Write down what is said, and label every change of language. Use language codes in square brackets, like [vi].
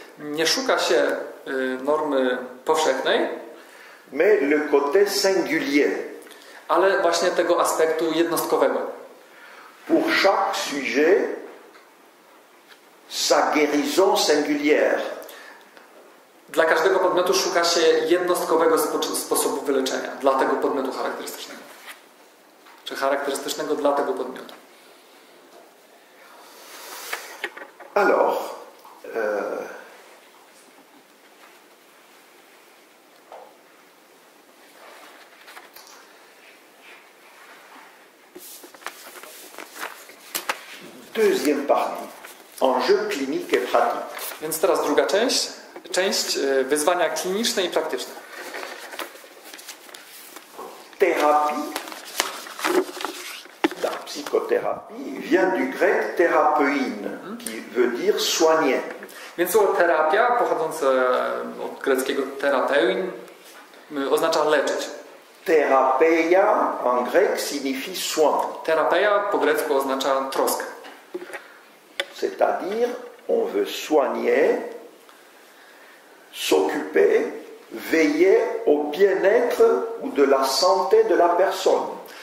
[pl] Nie szuka się normy powszechnej, [fr] mais le côté singulier. [pl] Ale właśnie tego aspektu jednostkowego. [fr] Pour chaque sujet, sa guérison singulière. [pl] Dla każdego podmiotu szuka się jednostkowego sposobu wyleczenia. Dla tego podmiotu charakterystycznego. Czy charakterystycznego dla tego podmiotu. [fr] Alors, deuxième partie. Enjeux cliniques et pratiques. [pl] Więc teraz druga część. Część wyzwania kliniczne i praktyczne. [fr] Thérapie. La psychothérapie vient du grec thérapeuine, qui veut dire soigner. [pl] Więc słowo terapia, pochodzące od greckiego terapeuin, oznacza leczyć. [fr] Therapeia en grec signifie soin. [pl] Terapeia po grecku oznacza troskę. [fr] C'est-à-dire, on veut soigner, s'occuper, veiller au bien-être ou de la santé de la personne.